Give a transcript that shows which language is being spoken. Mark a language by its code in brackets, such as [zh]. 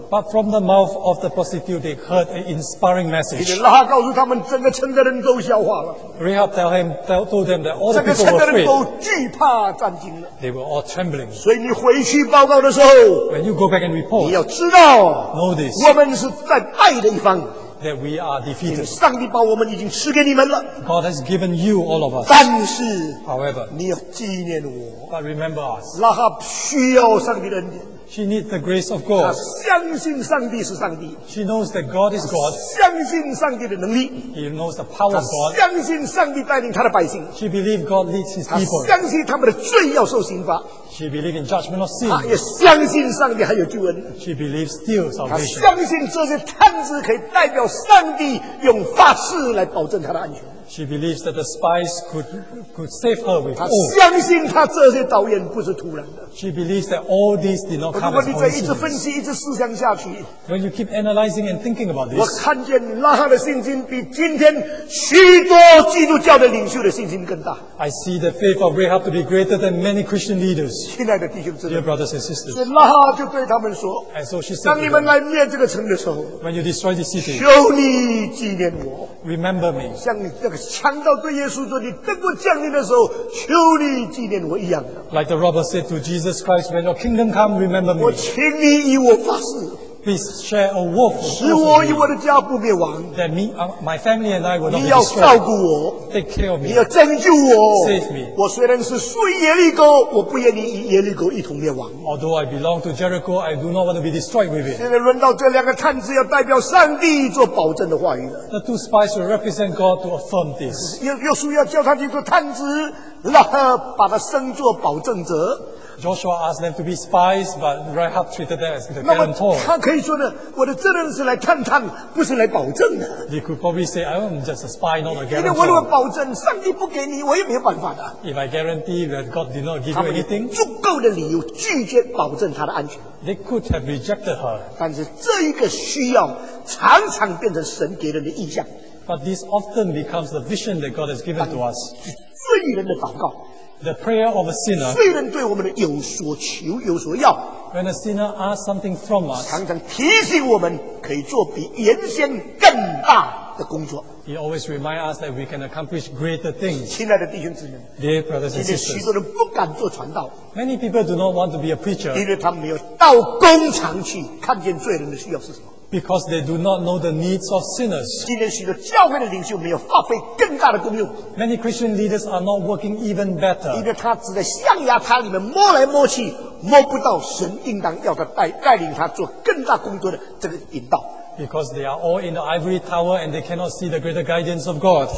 [en] But from the mouth of the prostitute, they heard an inspiring message. [zh] 拉哈告诉他们，整个城的人都笑话了。 [en] Rahab told them that all the people were afraid. [zh] 整个城的人都惧怕战惊了。 [en] They were all trembling. [zh] 所以你回去报告的时候 [en] ，When you go back and report, [zh] 你要知道 [en] ，Know this, [zh] 我们是在败的一方。 [en] That we are defeated. [zh] 上帝把我们已经赐给你们了。 [en] God has given you all of us. [zh] 但是 [en] ，However, [zh] 你要纪念我。 [en] But remember us. [zh] 拉哈需要上帝的恩典。 [en] She needs the grace of God. [zh] 她相信上帝是上帝。 [en] She knows that God is God. [zh] 相信上帝的能力。 [en] She knows the power of God. [zh] 相信上帝带领他的百姓。 [en] She believes God leads His people. [zh] 她相信他们的罪要受刑罚。 [en] She believes in judgment of sin. [zh] 她也相信上帝还有救恩。 [en] She believes still salvation. [zh] 她相信这些摊子可以代表上帝用发誓来保证他的安全。 [en] She believes that the spies could save her with oath. [zh] 她相信她这些导演不是突然的。 [en] She believes that all these did not come as coincidence. [zh] 如果你再一直分析，一直思想下去 [en] ，When you keep analyzing and thinking about this, [zh] 我看见拉哈的信心比今天许多基督教的领袖的信心更大。 [en] I see the faith of Rahab to be greater than many Christian leaders. [zh] 亲爱的弟兄姊妹 [en] ，Dear brothers and sisters, [zh] 所以拉哈就对他们说 [en] ，And so she said, [zh] 当你们来灭这个城的时候 [en] ，When you destroy this city, [zh] 求你纪念我 [en] ，Remember me, [zh] 像那个。强盗对耶稣说：“你等我降临的时候，求你纪念我一样的。” [en] Like the robber said to Jesus Christ, "When your kingdom come, remember me." [zh] 我请你以我发誓。 [en] Please share a word. [zh] 使我与我的家不灭亡。 [en] That me, my family and I will not be destroyed. [zh] 你要照顾我。 [en] Take care of me. [zh] 你要拯救我。 [en] Save me. [zh] 我虽然是属于耶利哥，我不愿意与耶利哥一同灭亡。 [en] Although I belong to Jericho, I do not want to be destroyed with it. [zh] 现在轮到这两个探子要代表上帝做保证的话语了。 [en] The two spies will represent God to affirm this. [zh] 约书亚叫他去做探子，拉合把他升做保证者。 [en] Joshua asked them to be spies, but Rahab treated them as the guarantor. [zh] 他可以说呢，我的责任是来探探，不是来保证的。 [en] They could probably say, I'm just a spy, not a guarantor. [zh] 因为我如果保证，上帝不给你，我也没有办法的。 [en] If I guarantee that God did not give you anything, [zh] 他们有足够的理由拒绝保证他的安全。 [en] They could have rejected her. [zh] 但是这一个需要常常变成神给人的意象。 [en] But this often becomes the vision that God has given to us. [zh] 罪人的祷告。 [en] The prayer of a sinner. [zh] 罪人对我们的有所求有所要。 [en] When a sinner asks something from us, [zh] 常常提醒我们可以做比原先更大的工作。 [en] He always reminds us that we can accomplish greater things. [zh] 亲爱的弟兄姊妹 [en] ，Dear brothers and sisters, [zh] 许多人不敢做传道。 [en] Many people do not want to be a preacher. [zh] 因为他们没有到工厂去看见罪人的需要是什么。 [en] Because they do not know the needs of sinners. [zh] 今天许多教会的领袖没有发挥更大的功用。 [en] Many Christian leaders are not working even better. [zh] 因为他只在象牙塔里面摸来摸去，摸不到神应当要他带领他做更大工作的这个引导。 [en] Because they are all in the ivory tower and they cannot see the greater guidance of God.